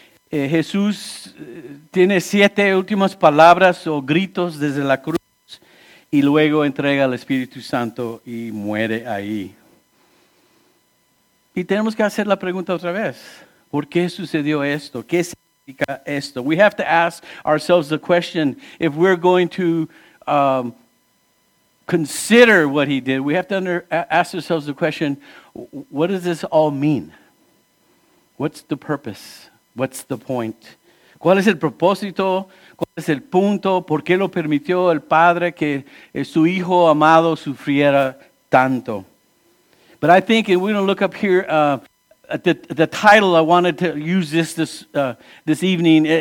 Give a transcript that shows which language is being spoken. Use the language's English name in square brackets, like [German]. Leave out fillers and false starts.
[Spanish] Jesús tiene siete últimas palabras o gritos desde la cruz. Y luego entrega al Espíritu Santo y muere ahí. Y tenemos que hacer la pregunta otra vez. ¿Por qué sucedió esto? ¿Qué significa esto? [English] We have to ask ourselves the question, if we're going to consider what he did, we have to ask ourselves the question, what does this all mean? What's the purpose? What's the point? [Spanish] ¿Cuál es el propósito? ¿Cuál es el punto? ¿Por qué lo permitió el Padre que su Hijo amado sufriera tanto? [English] But I think, and we're going to look up here, at the title I wanted to use this evening.